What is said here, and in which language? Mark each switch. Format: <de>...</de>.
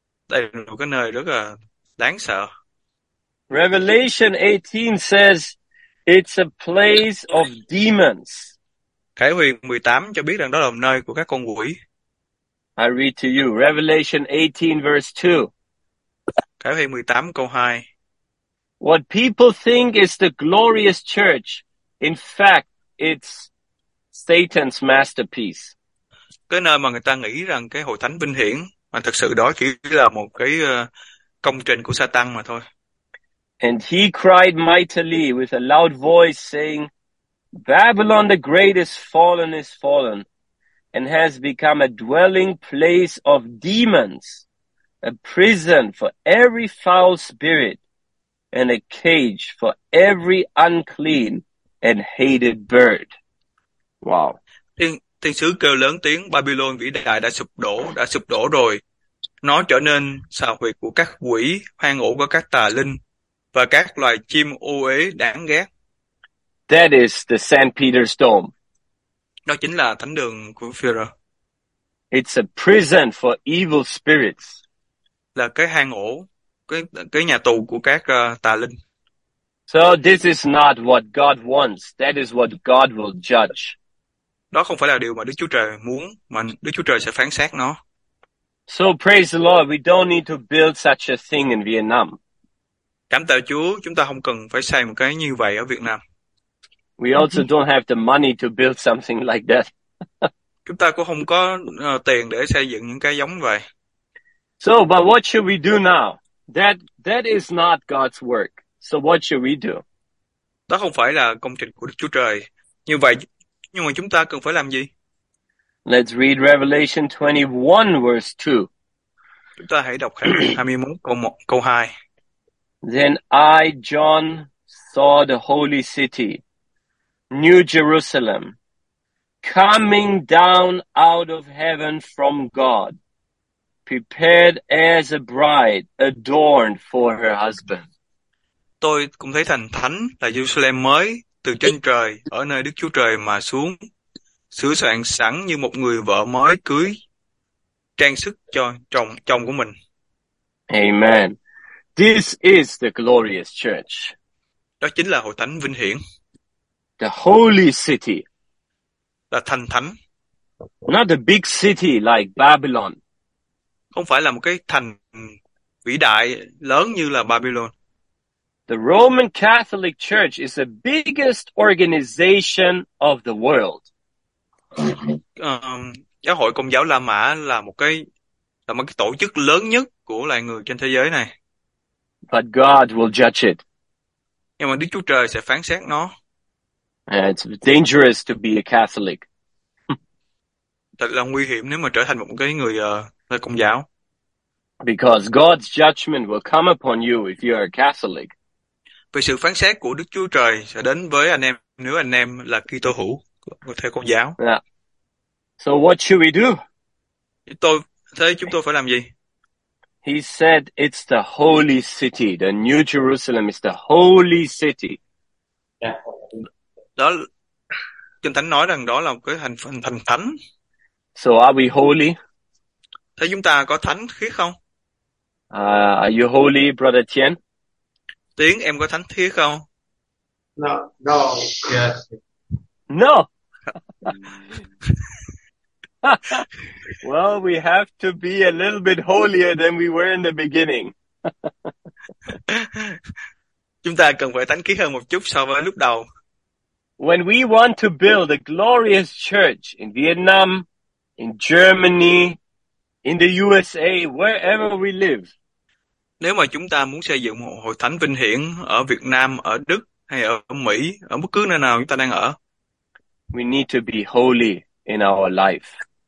<vi>Đây là một cái nơi rất là đáng sợ.</vi> <en>Revelation 18 says it's a place of demons.</en> <vi>Khải Huyền 18 cho biết rằng đó là một nơi của các con quỷ.</vi> <en>I read to you Revelation 18 verse 2.</en> <vi>Khải Huyền 18 câu 2.</vi> <en>What people think is the glorious church, in fact, it's Satan's masterpiece.</en> <vi>Cái nơi mà người ta nghĩ rằng cái hội thánh vinh hiển mà thực sự đó chỉ là một cái công trình của Satan mà thôi.</vi> <en>And he cried mightily with a loud voice, saying, Babylon the great is fallen, and has become a dwelling place of demons, a prison for every foul spirit, and a cage for every unclean and hated bird. Wow.</en> <vi>Thiên sứ kêu lớn tiếng, Babylon vĩ đại đã sụp đổ rồi. Nó trở nên xào huyệt của các quỷ, hoang ổ của các tà linh và các loài chim ô uế đáng ghét.</vi> <en>That is the St. Peter's Dome.</en> <vi>Đó chính là thánh đường của Führer.</vi> <en>It's a prison for evil spirits.</en> <vi>Là cái hang ổ, cái nhà tù của các tà linh.</vi> <en>So this is not what God wants. That is what God will judge.</en> <vi>Đó không phải là điều mà Đức Chúa Trời muốn, mà Đức Chúa Trời sẽ phán xét nó.</vi> <en>So praise the Lord, we don't need to build such a thing in Vietnam.</en> <vi>Cảm tạ Chúa, chúng ta không cần phải xây một cái như vậy ở Việt Nam.</vi> <en>We also don't have the money to build something like that.</en> <vi>Chúng ta cũng không có tiền để xây dựng những cái giống vậy.</vi> <en>So, but what should we do now? That is not God's work. So what should we do?</en> <vi>Đó không phải là công trình của Đức Chúa Trời. Như vậy, nhưng mà chúng ta cần phải làm gì?</vi> <en>Let's read Revelation 21 verse 2.</en> <vi>Chúng ta hãy đọc Khải Huyền 21 câu 1, câu 2.</vi> <en>Then I, John, saw the holy city, New Jerusalem, coming down out of heaven from God, prepared as a bride adorned for her husband.</en> <vi>Tôi cũng thấy thành thánh là Jerusalem mới từ trên trời ở nơi Đức Chúa Trời mà xuống, sửa soạn sẵn như một người vợ mới cưới, trang sức cho chồng của mình.</vi> <en>Amen. This is the glorious church.</en> <vi>Đó chính là hội thánh vinh hiển.</vi> <en>The holy city.</en> <vi>Là thành thánh.</vi> <en>Not the big city like Babylon.</en> <vi>Không phải là một cái thành vĩ đại lớn như là Babylon.</vi> <en>The Roman Catholic Church is the biggest organization of the world.</en> <vi>Giáo hội Công giáo La Mã là một cái tổ chức lớn nhất của loài người trên thế giới này.</vi> <en>But God will judge it.</en> <vi>Nhưng mà Đức Chúa Trời sẽ phán xét nó.</vi> <en>It's dangerous to be a Catholic.</en> <vi>Thật là nguy hiểm nếu mà trở thành một cái người Công giáo.</vi> <en>Because God's judgment will come upon you if you are a Catholic.</en> <vi>Vì sự phán xét của Đức Chúa Trời sẽ đến với anh em nếu anh em là Kitô hữu, người theo Công giáo.</vi> <en>Yeah. So what should we do?</en> <vi>Thế chúng tôi phải làm gì?</vi> <en>He said it's the holy city. The New Jerusalem is the holy city. Yeah.</en> <vi>Đó, Kinh Thánh nói rằng đó là một cái thành thánh.</vi> <en>So are we holy?</en> <vi>Thế chúng ta có thánh khiết không?</vi> <en>Are you holy, Brother Tien?</en> <vi>Tiến, em có thánh khiết không?</vi> <en>No, no, yes. No! Well, we have to be a little bit holier than we were in the beginning.</en> <vi>Chúng ta cần phải thánh khiết hơn một chút so với lúc đầu.</vi> <en>When we want to build a glorious church in Vietnam, in Germany, in the USA, wherever we live.</en> <vi>Nếu mà chúng ta muốn xây dựng một hội thánh vinh hiển ở Việt Nam, ở Đức hay ở Mỹ, ở bất cứ nơi nào chúng ta đang ở.</vi> <en>We need to be holy in our life.</en>